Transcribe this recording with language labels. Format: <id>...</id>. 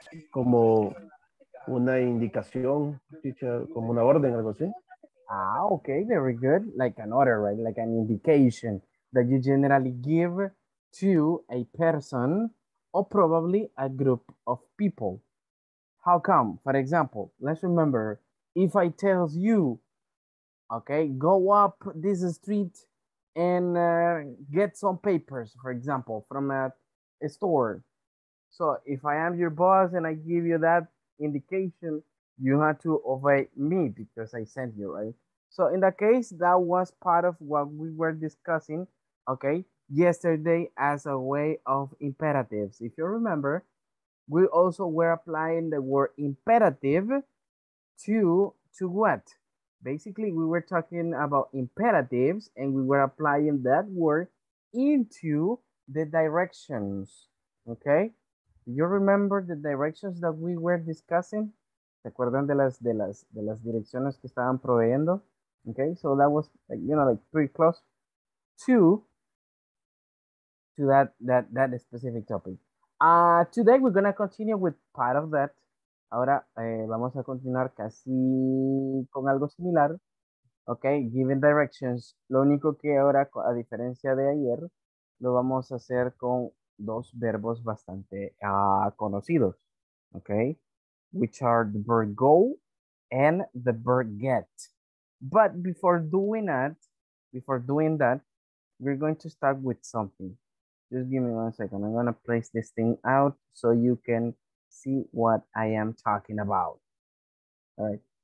<es>Como una indicación, teacher, como una orden, algo así.</es> <en>Ah, okay, very good. Like an order, right? Like an indication that you generally give to a person or probably a group of people. How come? For example, let's remember, if I tell you, okay, go up this street and get some papers, for example, from a store. So if I am your boss and I give you that indication, you have to obey me because I sent you, right? So in that case, that was part of what we were discussing, okay, yesterday as a way of imperatives. If you remember, we also were applying the word imperative to what? Basically, we were talking about imperatives and we were applying that word into the directions, okay? Do you remember the directions that we were discussing?</en> <es>¿Se acuerdan de las direcciones que estaban proveyendo?</es> <en>Okay, so that was, like, you know, like pretty close to that specific topic. Today we're gonna continue with part of that.</en> <es>Ahora vamos a continuar casi con algo similar.</es> <en>Okay, giving directions.</en> <es>Lo único que ahora, a diferencia de ayer, lo vamos a hacer con dos verbos bastante conocidos, okay?</es> <en>Which are the verb go and the verb get. But before doing that, we're going to start with something. Just give me 1 second. I'm gonna place this thing out so you can see what I am talking about. All right.</en>